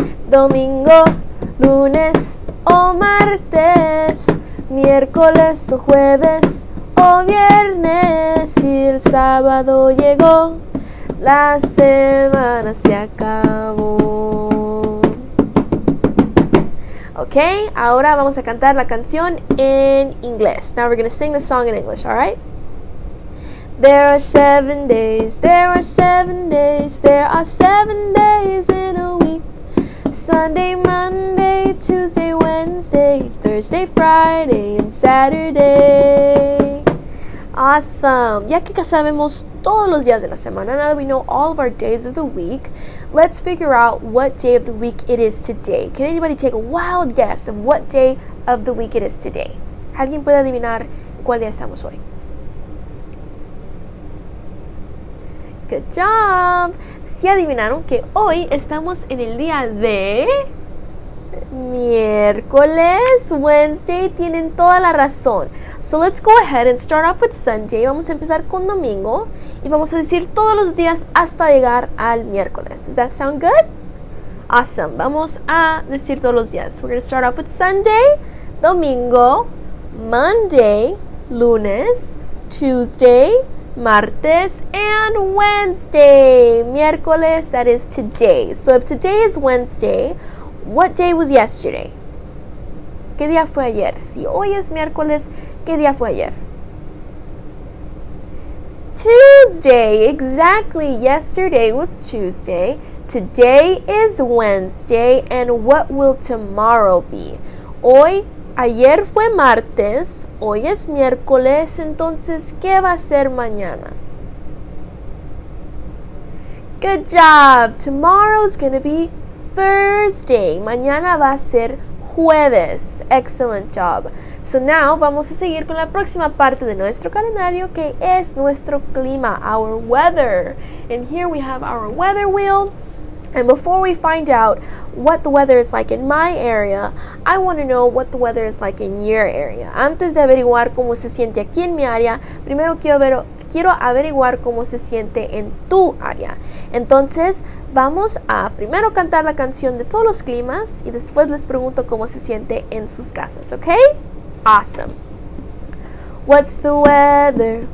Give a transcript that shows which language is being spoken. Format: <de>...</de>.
<es>Domingo, lunes o martes, miércoles o jueves o viernes, y el sábado llegó, la semana se acabó. Ok, ahora vamos a cantar la canción en inglés.</es> <en>Now we're going to sing the song in English, all right? There are 7 days, there are 7 days, there are 7 days in a week. Sunday, Monday, Tuesday, Wednesday, Thursday, Friday, and Saturday. Awesome.</en> <es>Ya que sabemos todos los días de la semana,</es> <en>now that we know all of our days of the week, let's figure out what day of the week it is today. Can anybody take a wild guess of what day of the week it is today?</en> <es>¿Alguien puede adivinar cuál día estamos hoy?</es> <en>Good job.</en> <es>¿Sí adivinaron que hoy estamos en el día de miércoles? Wednesday. Tienen toda la razón.</es> <en>So let's go ahead and start off with Sunday.</en> <es>Vamos a empezar con domingo y vamos a decir todos los días hasta llegar al miércoles.</es> <en>Does that sound good? Awesome.</en> <es>Vamos a decir todos los días.</es> <en>We're going to start off with Sunday, domingo, Monday, lunes, Tuesday, martes, and Wednesday. Miércoles, that is today. So if today is Wednesday, what day was yesterday?</en> <es>¿Qué día fue ayer? Si hoy es miércoles, ¿qué día fue ayer?</es> <en>Tuesday. Exactly. Yesterday was Tuesday. Today is Wednesday. And what will tomorrow be?</en> <es>Hoy, ayer fue martes. Hoy es miércoles. Entonces, ¿qué va a ser mañana?</es> <en>Good job. Tomorrow's gonna be Thursday.</en> <es>Mañana va a ser jueves.</es> <en>Excellent job. So now</en> <es>vamos a seguir con la próxima parte de nuestro calendario, que es nuestro clima,</es> <en>our weather. And here we have our weather wheel. And before we find out what the weather is like in my area, I want to know what the weather is like in your area.</en> <es>Antes de averiguar cómo se siente aquí en mi área, primero quiero averiguar cómo se siente en tu área. Entonces, vamos a primero cantar la canción de todos los climas y después les pregunto cómo se siente en sus casas, ¿ok?</es> <en>Awesome. What's the weather?</en>